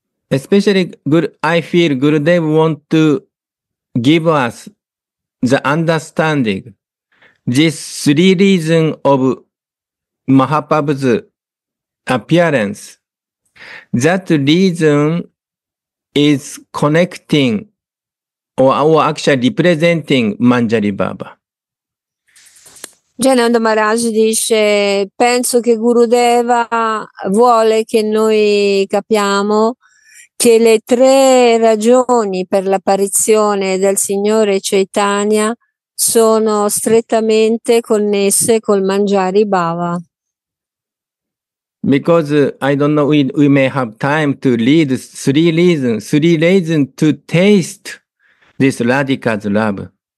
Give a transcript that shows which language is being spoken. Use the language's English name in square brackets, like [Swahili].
[English] Especially I feel Gurudev want to give us the understanding this three reason of Mahaprabhu's appearance. That reason is connecting or actually representing Manjari Baba. [Italian] Jayananda Maharaj dice: penso che Gurudeva vuole che noi capiamo che le tre ragioni per l'apparizione del Signore Chaitanya sono strettamente connesse col Manjari Baba. [English] Because I don't know, we may have time to read three reasons to taste this Radhika's love.